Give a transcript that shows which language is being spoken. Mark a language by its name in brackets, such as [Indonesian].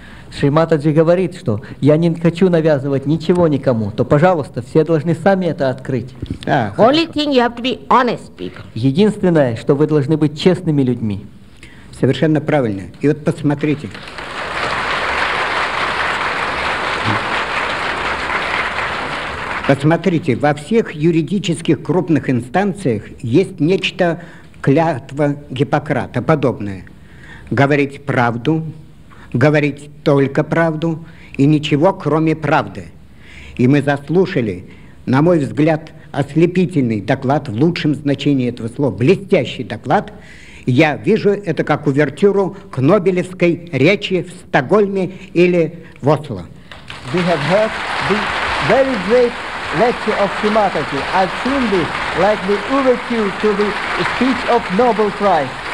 [Russian] Шри Матаджи говорит, что я не хочу навязывать ничего никому, то, пожалуйста, все должны сами это открыть. [English] Only thing you have to be honest people. [Russian] Единственное, что вы должны быть честными людьми. Совершенно правильно. И вот посмотрите. Посмотрите, во всех юридических крупных инстанциях есть нечто, клятва Гиппократа подобное. Говорить правду, говорить только правду и ничего, кроме правды. И мы заслушали, на мой взгляд, ослепительный доклад в лучшем значении этого слова, блестящий доклад. Я вижу это как увертюру к Нобелевской речи в Стокгольме или в Осло. [English] We have heard the very great lecture of Shri Mataji. I've seen this like the overture to the speech of Nobel Prize.